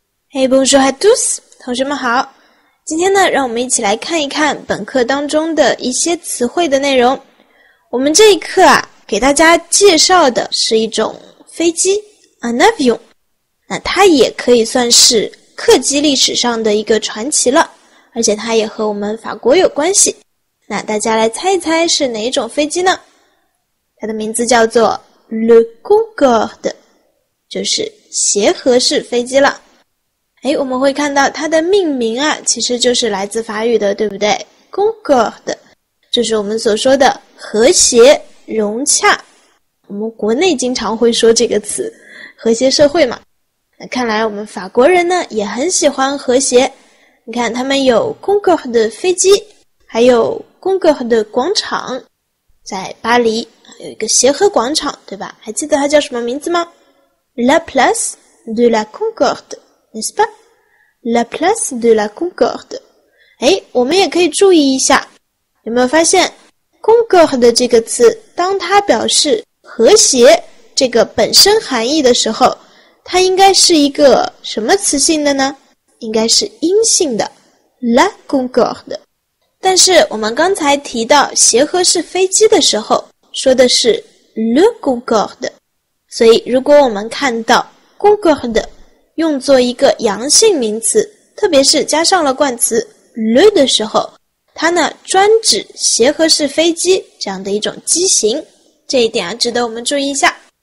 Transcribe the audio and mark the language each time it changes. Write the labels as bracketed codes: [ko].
[fr] Hey, bonjour à tous, [zh] 同学们好。今天呢，让我们一起来看一看本课当中的一些词汇的内容。我们这一课啊，给大家介绍的是一种飞机 ， [fr] an avion。 [zh] 那它也可以算是客机历史上的一个传奇了，而且它也和我们法国有关系。那大家来猜一猜是哪一种飞机呢？它的名字叫做 Le Concorde， 就是协和式飞机了。诶，我们会看到它的命名啊，其实就是来自法语的，对不对？ Concorde 就是我们所说的和谐融洽，我们国内经常会说这个词，和谐社会嘛。那看来我们法国人呢也很喜欢和谐，你看他们有 Concorde 的飞机，还有 Concorde 的广场，在巴黎有一个协和广场，对吧？还记得它叫什么名字吗？ [fr] La place de la Concorde, n'est-ce pas? La place de la Concorde。 [zh] 诶，我们也可以注意一下，有没有发现 Concorde 这个词，当它表示和谐这个本身含义的时候，它应该是一个什么词性的呢？应该是阴性的 La Concorde。但是我们刚才提到协和式飞机的时候说的是 Le Concorde， 所以如果我们看到 Concorde 用作一个阳性名词，特别是加上了冠词 Le 的时候，它呢专指协和式飞机这样的一种机型，这一点啊值得我们注意一下。